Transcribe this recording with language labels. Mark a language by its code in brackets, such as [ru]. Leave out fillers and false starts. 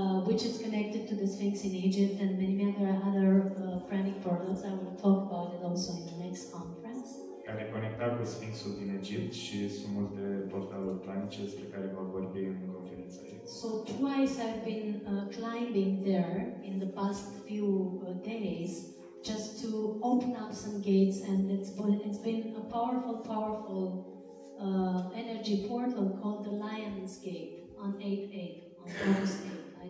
[en] Which is connected to the Sphinx in Egypt and many other Pranic portals. I will talk about it also in the next conference. [ro] Care conecta cu Sphinxul din Egipt și sunt multe portaluri planice despre care vă vorbi în conferința. [en] So twice I've been climbing there in the past few days just to open up some gates, and it's been a powerful energy portal called the Lion's Gate on 8-8 on August 8.